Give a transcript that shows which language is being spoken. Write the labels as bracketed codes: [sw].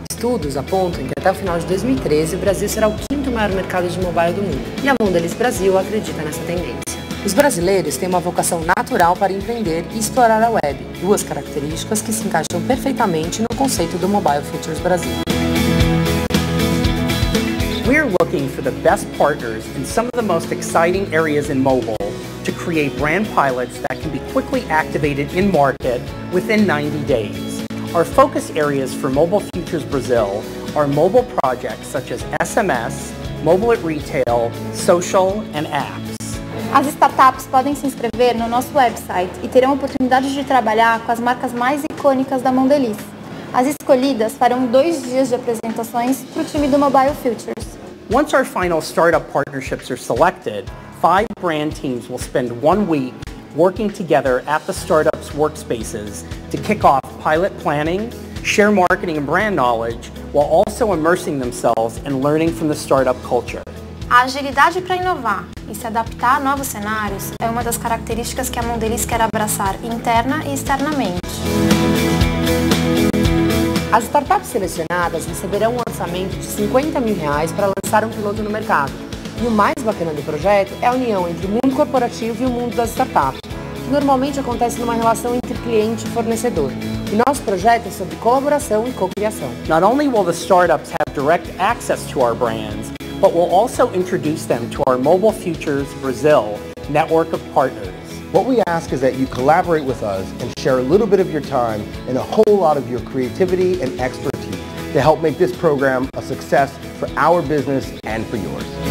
[pt] Estudos apontam que até o final de 2013 o Brasil será o quinto maior mercado de mobile do mundo. E a Mondelez Brasil acredita nessa tendência. Os brasileiros têm uma vocação natural para empreender e explorar a web, duas características que se encaixam perfeitamente no conceito do Mobile Futures Brasil. [en] We're you're looking for the best partners in some of the most exciting areas in mobile to create brand pilots that can be quickly activated in market within 90 days. Our focus areas for Mobile Futures Brazil are mobile projects such as SMS, mobile at retail, social, and apps. [pt] As startups podem se inscrever no nosso website e terão oportunidade de trabalhar com as marcas mais icônicas da Mondelez. As escolhidas farão 2 dias de apresentações para o time do Mobile Futures. [en] Once our final startup partnerships are selected, 5 brand teams will spend 1 week working together at the startup's workspaces to kick off pilot planning, share marketing and brand knowledge, while also immersing themselves and learning from the startup culture. [pt] A agilidade para inovar e se adaptar a novos cenários é uma das características que a Mondelez quer abraçar interna e externamente. As startups selecionadas receberão um orçamento de R$50 mil para lançar um piloto no mercado. E o mais bacana do projeto é a união entre o mundo corporativo e o mundo das startups, que normalmente acontece numa relação entre cliente e fornecedor. E nosso projeto é sobre colaboração e co-criação. [en] Not only will the startups have direct access to our brands, but we'll also introduce them to our Mobile Futures Brazil network of partners. What we ask is that you collaborate with us and share a little bit of your time and a whole lot of your creativity and expertise to help make this program a success for our business and for yours.